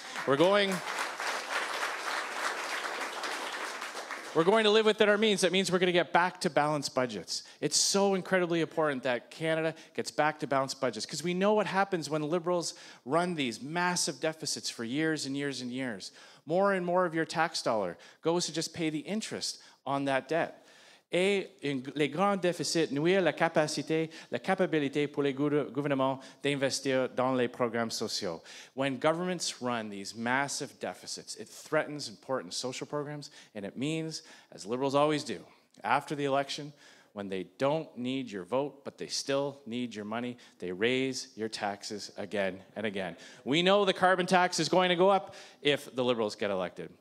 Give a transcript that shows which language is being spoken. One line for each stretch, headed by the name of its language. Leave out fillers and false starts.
English: We're going to live within our means. That means we're going to get back to balanced budgets. It's so incredibly important that Canada gets back to balanced budgets because we know what happens when Liberals run these massive deficits for years and years and years. More and more of your tax dollar goes to just pay the interest on that debt.
French: Et les grands déficits nuisent la capacité pour les gouvernements d'investir dans les programmes sociaux.
English: When governments run these massive deficits, it threatens important social programs, and it means, as Liberals always do, after the election, when they don't need your vote, but they still need your money, they raise your taxes again and again. We know the carbon tax is going to go up if the Liberals get elected.